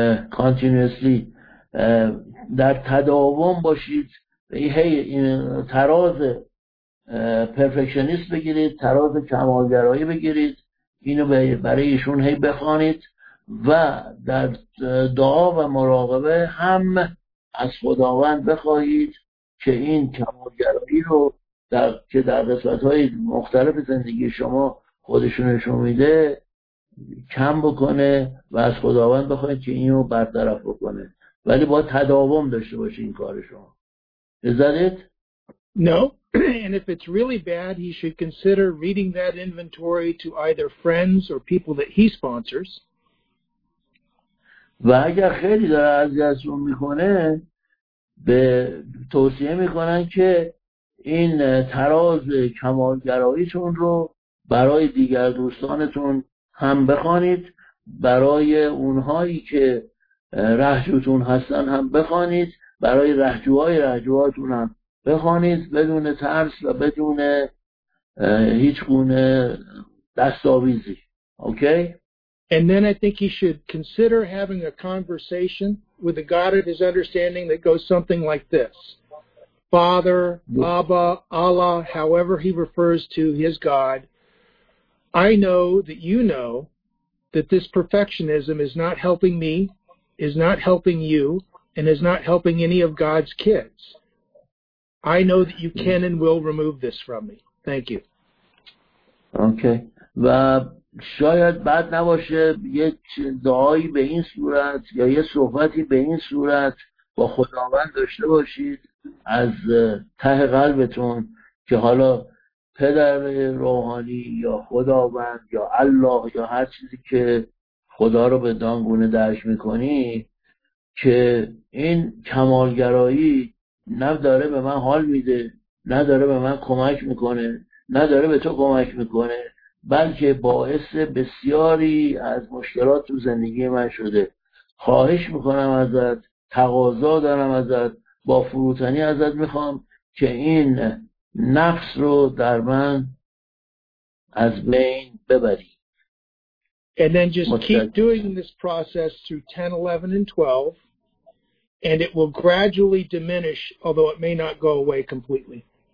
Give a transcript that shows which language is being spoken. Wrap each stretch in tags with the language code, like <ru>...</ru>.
<fa>کانتینیوسلی در تداوم باشید و این تراز پرفکشنیست بگیرید، تراز کمالگرایی بگیرید، اینو برای ایشون هی بخونید و در دعا و مراقبه هم از خداوند بخواهید که این کمالگرایی رو که در قسمت‌های مختلف زندگی شما خودشونشون میده کم بکنه و از خداوند بخواهید که اینو برطرف بکنه، ولی با تداوم داشته باشید این کار شما.</fa> <en>Is that it? No. And if it's really bad, he should consider reading that inventory to either friends or people that he sponsors.</en> <fa>و اگر خیلی داره اذیتتون میکنه به توصیه میکنن که این تراز کمالگراییتون رو برای دیگر دوستانتون هم بخونید، برای اونهایی که رهجوتون هستن هم بخونید، برای رهجوهای رهجوهاتون هم بخونید بدون ترس و بدون هیچ گونه دستاویزی.</fa> <en>Okay? And then I think he should consider having a conversation with the God of his understanding that goes something like this. Father, Baba, Allah, however he refers to his God, I know that you know that this perfectionism is not helping me, is not helping you, and is not helping any of God's kids. I know that you can and will remove this from me. Thank you. Okay. Bob.</en> <fa>شاید بد نباشه یک دعایی به این صورت یا یه صحبتی به این صورت با خداوند داشته باشید از ته قلبتون که حالا پدر روحانی یا خداوند یا الله یا هر چیزی که خدا رو به دانگونه درش میکنی، که این کمالگرایی نداره به من حال میده، نداره به من کمک میکنه، نداره به تو کمک میکنه، بلکه باعث بسیاری از مشکلات تو زندگی من شده. خواهش میکنم ازت، تقاضا دارم ازت، با فروتنی ازت میخوام که این نقص رو در من از بین ببری.</fa> <en>And then just keep doing this process through 10, 11, and 12, and it will gradually diminish, although it may not go away completely.</en>